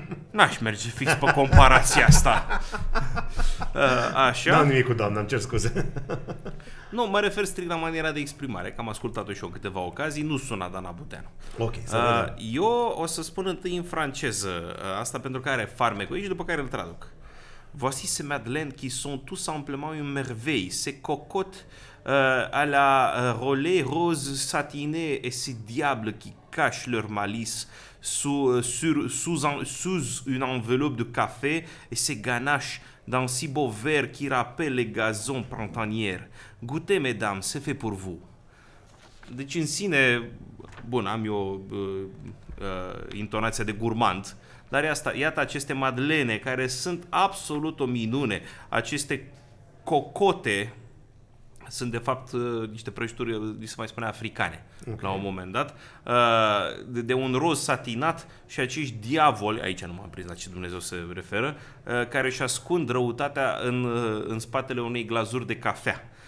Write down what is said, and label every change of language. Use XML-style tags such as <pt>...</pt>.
<ro>N-aș merge fix pe comparația asta. Așa. N-am nimic cu doamna, îmi cer scuze. Nu, mă refer strict la maniera de exprimare, că am ascultat-o și eu câteva ocazii, nu sună Dana Budeanu. Okay, eu o să spun întâi în franceză, asta pentru care farmec aici, după care îl traduc.</ro> <fr>Voici ces madeleines qui sont tout simplement une merveille, ces cocottes à la rolée rose satinée et ces diables qui cachent leur malice sous une enveloppe de café et ces ganaches dans si beau vert qui rappelle les gazons printanières. Goûtez, mesdames, c'est fait pour vous.</fr> <ro>Deci în sine, bun, am eu intonația de gurmand, dar iată aceste madeleine care sunt absolut o minune, aceste cocote sunt de fapt niște prăjituri, li se mai spune africane, okay, la un moment dat, de un roz satinat și acești diavoli, aici nu m-am prins la ce Dumnezeu se referă, care își ascund răutatea în spatele unei glazuri de cafea.</ro>